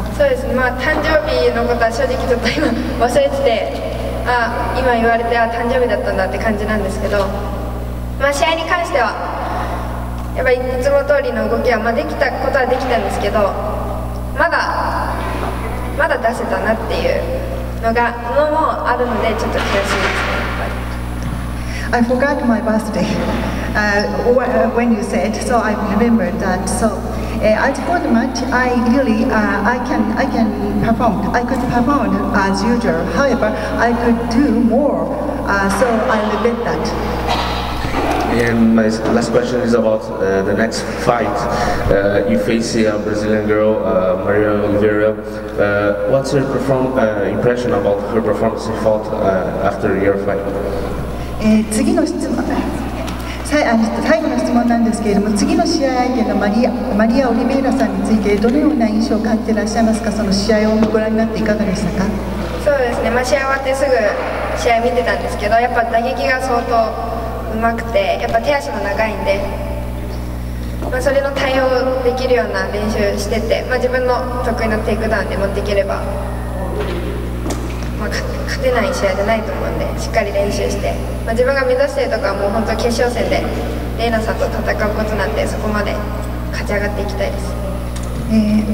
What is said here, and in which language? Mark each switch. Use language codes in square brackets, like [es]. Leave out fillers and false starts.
[ja] そうですね、誕生日のことは正直ちょっと今忘れてて、今言われて誕生日だったんだって感じなんですけど、試合に関してはやっぱりいつも通りの動きは、できたことはできたんですけど、まだ出せたなっていうのがのもあるので、ちょっと悔しいですね。 [en] I forgot my birthday when you said, so I remembered that. So as for the match, I really I can perform. I could perform as usual. However, I could do more. So I regret that. And my last question is about the next fight. You face a Brazilian girl, Maria Oliveira. What's your impression about her performance in fight after your fight? [ja] 次の質問、最後の質問なんですけれども、次の試合相手のマリア・オリベイラさんについて、どのような印象を感じていらっしゃいますか？その試合をご覧になっていかがでしたか？そうですね、試合終わってすぐ試合見てたんですけど、やっぱ打撃が相当うまくて、やっぱ手足も長いんで、それの対応できるような練習してて、自分の得意なテイクダウンで持っていければ、勝てない試合じゃないと思うんで、しっかり練習して、自分が目指しているところはもう本当決勝戦でレイナさんと戦うことなんで、そこまで勝ち上がっていきたいです。